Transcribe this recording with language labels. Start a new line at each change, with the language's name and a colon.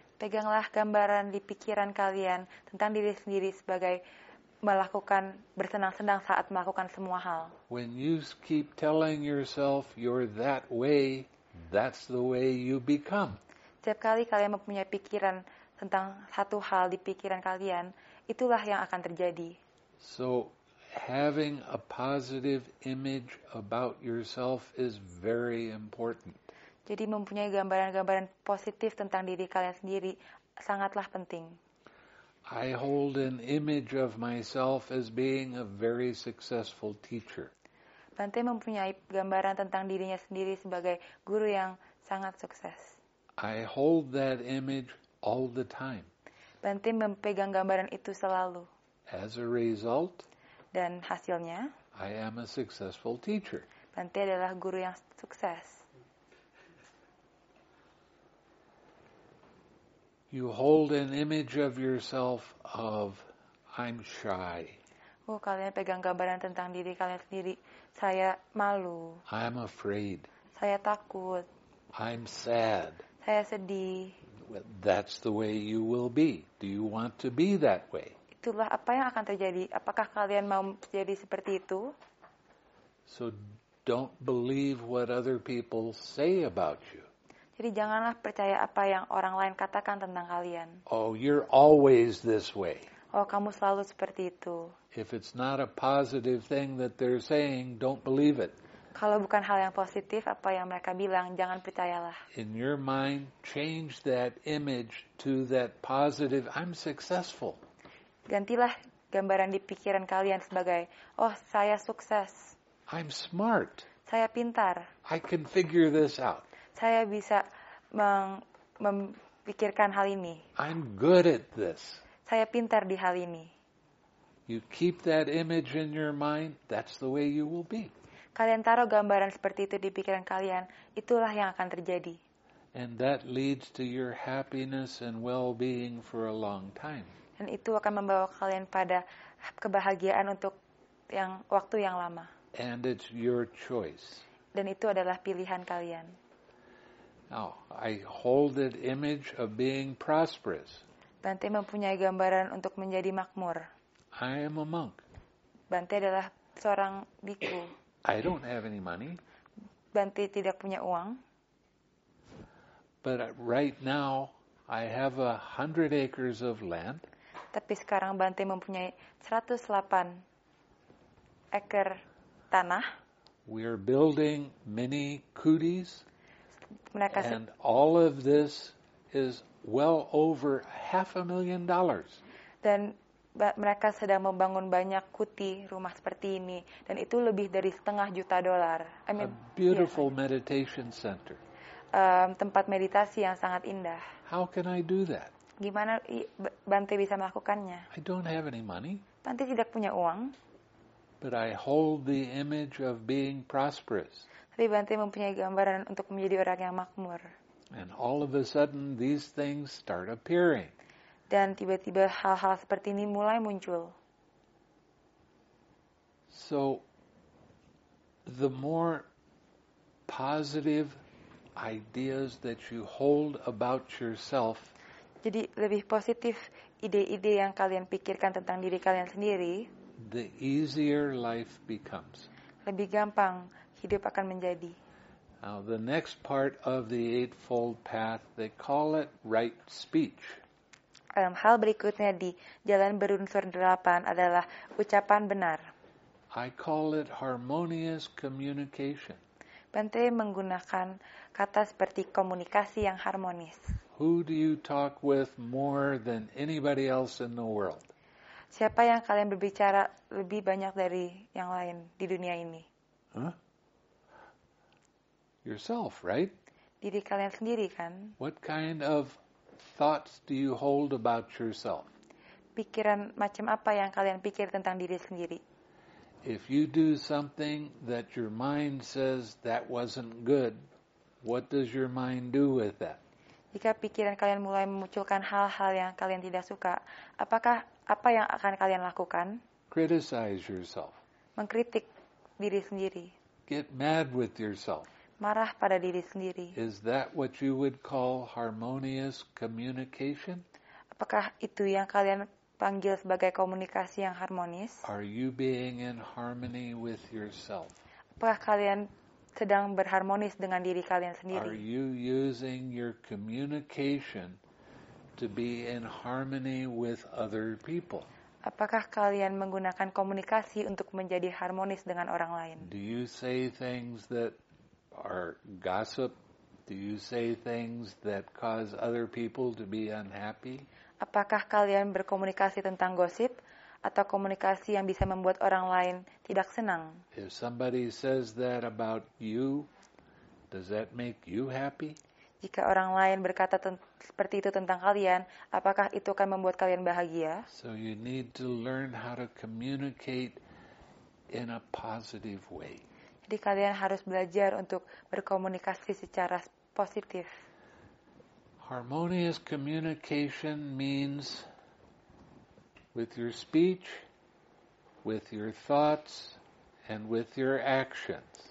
Indonesian: peganglah gambaran di pikiran kalian tentang diri sendiri sebagai melakukan bersenang-senang saat melakukan semua hal.
English: When you keep telling yourself you're that way, that's the way you become.
Indonesian: Setiap kali kalian mempunyai pikiran tentang satu hal di pikiran kalian, itulah yang akan terjadi.
English: So having a positive image about yourself is very important.
Indonesian: Jadi mempunyai gambaran-gambaran positif tentang diri kalian sendiri sangatlah penting.
English: I hold an image of myself as being a very successful teacher.
Indonesian: Bante mempunyai gambaran tentang dirinya sendiri sebagai guru yang sangat sukses.
English: I hold that image all the time.
Indonesian: Bante memegang gambaran itu selalu.
English: As a result,
Indonesian: dan hasilnya,
English: I am a successful teacher.
Indonesian: Bante adalah guru yang sukses.
English: You hold an image of yourself of I'm shy.
Indonesian: Oh, kalian pegang gambaran tentang diri kalian sendiri. Saya malu.
English: I'm afraid.
Indonesian: Saya takut.
English: I'm sad.
Indonesian: Saya sedih.
English: Well, that's the way you will be. Do you want to be that way?
Indonesian: Itulah apa yang akan terjadi. Apakah kalian mau jadi seperti itu?
English: So don't believe what other people say about you.
Indonesian: Jadi janganlah percaya apa yang orang lain katakan tentang kalian.
English: Oh, you're always this way.
Indonesian: Oh, kamu selalu seperti itu.
English: If it's not a positive thing that they're saying, don't believe it.
Indonesian: Kalau bukan hal yang positif apa yang mereka bilang, jangan percayalah.
English: In your mind, change that image to that positive, I'm successful.
Indonesian: Gantilah gambaran di pikiran kalian sebagai, oh, saya sukses.
English: I'm smart.
Indonesian: Saya pintar.
English: I can figure this out.
Indonesian: Saya bisa memikirkan hal ini.
English: I'm good at this.
Indonesian: Saya pintar di hal ini.
English: You keep that image in your mind, that's the way you will be.
Indonesian: Kalian taruh gambaran seperti itu di pikiran kalian, itulah yang akan terjadi.
English: And that leads to your happiness and well-being for a long time.
Indonesian: Dan itu akan membawa kalian pada kebahagiaan untuk yang waktu yang lama.
English: And it's your choice.
Indonesian: Dan itu adalah pilihan kalian.
English: Now, I hold an image of being prosperous.
Indonesian: Bante mempunyai gambaran untuk menjadi makmur.
English: I am a monk.
Indonesian: Bante adalah seorang biku.
English: I don't have any money.
Indonesian: Bante tidak punya uang.
English: But right now, I have 100 acres of land.
Indonesian: Tapi sekarang Bante mempunyai 108 ekar tanah.
English: We are building many kudis.
Indonesian: Mereka
English: and all of this is well over $500,000.
Indonesian: Dan mereka sedang membangun banyak kuti rumah seperti ini, dan itu lebih dari $500,000.
English: I mean, a beautiful meditation center.
Indonesian: Tempat meditasi yang sangat indah.
English: How can I do that?
Indonesian: Gimana Bante bisa melakukannya?
English: I don't have any money.
Indonesian: Bante tidak punya uang.
English: But I hold the image of being prosperous.
Indonesian: Tapi Bante mempunyai gambaran untuk menjadi orang yang makmur.
English: And all of a sudden, these things start appearing.
Indonesian: Dan tiba-tiba hal-hal seperti ini mulai muncul.
English: So, the more positive ideas that you hold about yourself,
Indonesian: jadi lebih positif ide-ide yang kalian pikirkan tentang diri kalian sendiri,
English: the easier life becomes.
Indonesian: Lebih gampang hidup akan menjadi.
English: Now the next part of the Eightfold Path, they call it right speech.
Indonesian: Hal berikutnya di jalan berunsur delapan adalah ucapan benar.
English: I call it harmonious communication.
Indonesian: Bante menggunakan kata seperti komunikasi yang harmonis.
English: Who do you talk with more than anybody else in the world?
Indonesian: Siapa yang kalian berbicara lebih banyak dari yang lain di dunia ini? Huh?
English: Yourself, right?
Indonesian: Diri kalian sendiri, kan?
English: What kind of thoughts do you hold about yourself?
Indonesian: Pikiran macam apa yang kalian pikir tentang diri sendiri?
English: If you do something that your mind says that wasn't good, what does your mind do with that?
Indonesian: Jika pikiran kalian mulai memunculkan hal-hal yang kalian tidak suka, apakah apa yang akan kalian lakukan?
English: Criticize yourself.
Indonesian: Mengkritik diri sendiri.
English: Get mad with yourself.
Indonesian: marah pada diri sendiri.
English: Is that what you would call harmonious communication?
Indonesian: Apakah itu yang kalian panggil sebagai komunikasi yang harmonis?
English: Are you being in harmony with yourself?
Indonesian: Apakah kalian sedang berharmonis dengan diri kalian sendiri?
English: Are you using your communication to be in harmony with other people?
Indonesian: Apakah kalian menggunakan komunikasi untuk menjadi harmonis dengan orang lain?
English: Do you say things that are gossip? Do you say things that cause other people to be unhappy?
Indonesian: Apakah kalian berkomunikasi tentang gosip atau komunikasi yang bisa membuat orang lain tidak senang?
English: If somebody says that about you, does that make you happy?
Indonesian: Jika orang lain berkata seperti itu tentang kalian, apakah itu akan membuat kalian bahagia?
English: So you need to learn how to communicate in a positive way.
Indonesian: Jadi kalian harus belajar untuk berkomunikasi secara positif.
English: Harmonious communication means with your speech, with your thoughts, and with your actions.